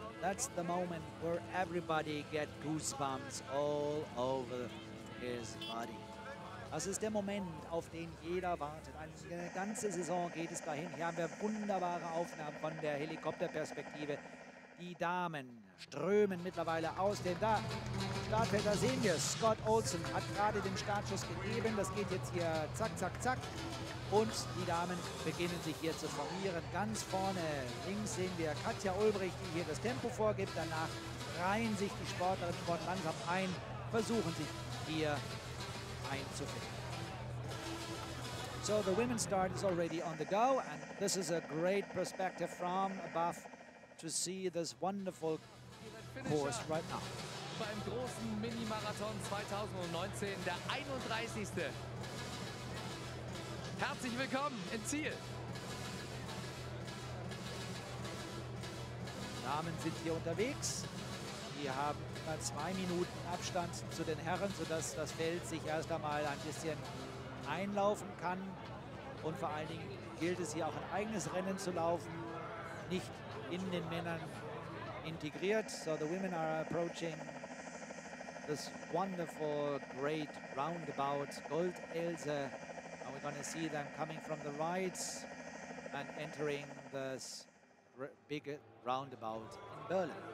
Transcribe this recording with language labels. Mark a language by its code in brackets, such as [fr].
[en] That's the moment where everybody gets goosebumps all over his body. [de] Das ist der Moment, auf den jeder wartet. Eine ganze Saison geht es dahin. Hier haben wir wunderbare Aufnahmen von der Helikopterperspektive. Die Damen strömen mittlerweile aus dem Startfeld. Da sehen wir, Scott Olsen hat gerade den Startschuss gegeben. Das geht jetzt hier zack, zack, zack. Und die Damen beginnen sich hier zu formieren. Ganz vorne links sehen wir Katja Ulbricht, die hier das Tempo vorgibt. Danach reihen sich die Sportlerinnen und Sportler langsam ein, versuchen sich hier einzufinden. [en] So, the women's start is already on the go. And this is a great perspective from above to see this wonderful course right now. [de] Beim großen Mini-Marathon 2019, der 31. Herzlich willkommen im Ziel. Die Damen sind hier unterwegs. Wir haben mal 2 Minuten Abstand zu den Herren, sodass das Feld sich erst einmal ein bisschen einlaufen kann. Und vor allen Dingen gilt es hier auch ein eigenes Rennen zu laufen, nicht in den Männern integriert. [en] So, the women are approaching this wonderful, great roundabout. Gold Else. And we're going to see them coming from the right and entering this big roundabout in Berlin.